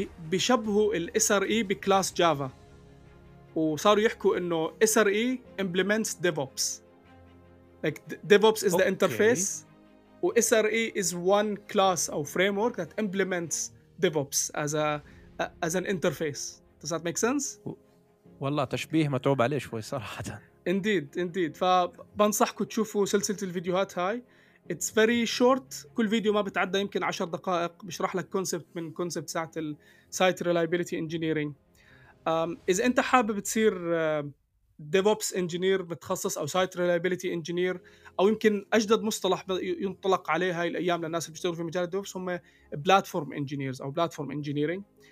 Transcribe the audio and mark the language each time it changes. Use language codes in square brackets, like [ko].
[ar] بيشبهوا الـ SRE بكلاس جافا, وصاروا يحكوا انه [en] SRE implements DevOps. Like DevOps is the okay. interface, وSRE is one class or framework that implements DevOps as an interface. Does that make sense? [ar] والله تشبيه متعوب عليه شوي صراحة. [en] Indeed. [ar] فبنصحكم تشوفوا سلسلة الفيديوهات هاي. [en] It's very short. [ar] كل فيديو ما بتعدى يمكن 10 دقائق. بشرح لك concept من concept ساعة الـ Site Reliability Engineering. إذا أنت حابب تصير DevOps Engineer بتخصص أو Site Reliability Engineer, أو يمكن أجدد مصطلح ينطلق عليه هاي الأيام للناس اللي بيشتغلوا في مجال الديفوبس هم Platform Engineers أو Platform Engineering.